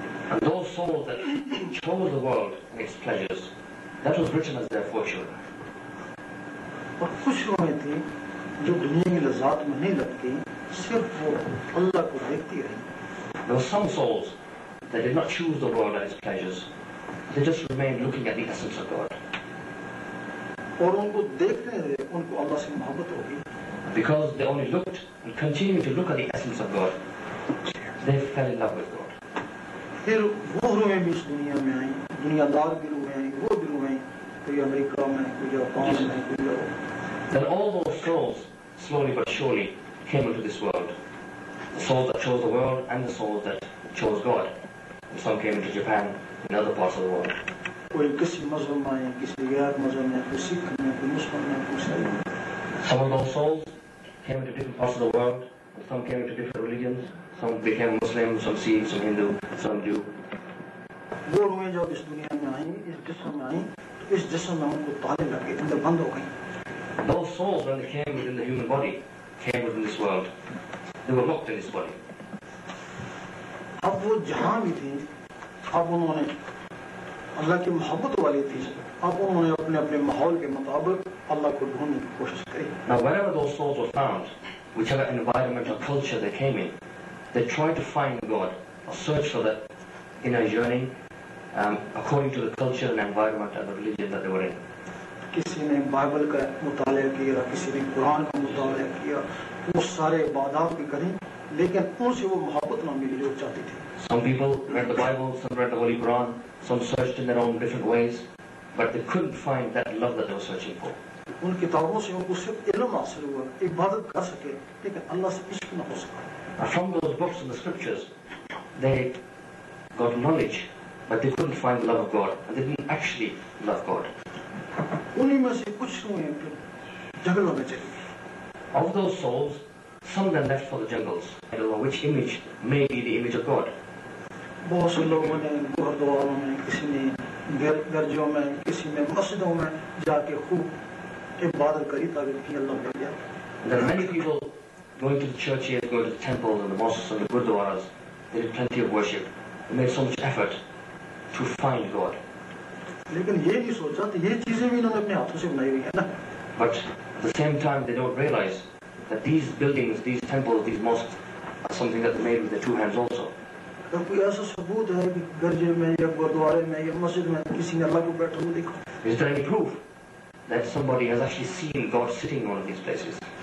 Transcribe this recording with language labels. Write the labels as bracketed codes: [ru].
[en] And those souls that chose the world and its pleasures, that was written as their fortune. [ur] اور خوش روحیں تھیں جو دنیا کی لذات میں نہیں لگتی صرف وہ اللہ کو دیکھتی رہی. [en] There were some souls that did not choose the world and its pleasures. They just remained looking at the essence of God. [ur] اور ان کو دیکھتے رہے ان کو اللہ سے محبت ہوگی. [en] Because they only looked and continued to look at the essence of God, they fell in love with God. [ur] پھر وہ روحیں بھی اس دنیا میں آئیں, دنیا دار بھی روحیں آئیں, وہ بھی روحیں کوئی امریکہ میں, کوئی جاپان میں, کوئی اور. [en] Then all those souls, slowly but surely, came into this world. The souls that chose the world and the souls that chose God. And some came into Japan and other parts of the world. Some of those souls came into different parts of the world. Some came into different religions. Some became Muslim, some Sikh, some Hindu, some Jew. Those souls, when they came within the human body, came within this world. They were locked in this body. [ur] اب وہ جہاں بھی تھیں اب انہوں نے اللہ کی محبت والی تھی اب انہوں نے اپنے اپنے ماحول کے مطابق اللہ کو ڈھونڈنے کی کوشش کی. [en] Now wherever those souls were found, whichever environment or culture they came in, they tried to find God or search for that inner yearning according to the culture and environment and the religion that they were in. [ur] کسی نے Bible کا مطالعہ کیا, کسی نے قرآن کا مطالعہ کیا, وہ سارے عبادات بھی کریں لیکن ان سے وہ محبت نہ ملی جو چاہتی تھی. [en] Some people read the Bible, some read the Holy Quran, some searched in their own different ways, but they couldn't find that love that they were searching for. [ur] ان کتابوں سے ان کو صرف علم حاصل ہوا, عبادت کر سکے لیکن اللہ سے عشق نہ ہو سکا. [en] From those books and the scriptures, they got knowledge, but they couldn't find the love of God, and they didn't actually love God. [ur] انہی میں سے کچھ ہوئے پھر جنگلوں میں چلے. [en] Of those souls, some then left for the jungles. I don't know which image may be the image of God. [ur] بہت سے لوگوں نے گردواروں میں, کسی نے گرجوں میں, کسی نے مسجدوں میں جا کے خوب عبادت کری تاکہ کہ اللہ بڑھ گیا. [en] There are many people going to the churches, going to the temples and the mosques and the gurdwaras. They did plenty of worship. They made so much effort to find God. [ur] لیکن یہ نہیں سوچا کہ یہ چیزیں بھی انہوں نے اپنے ہاتھوں سے بنائی ہوئی ہیں نا. [en] But at the same time, they don't realize that these buildings, these temples, these mosques are something that they made with their two hands also. Is there any proof that somebody has actually seen God sitting in one of these places?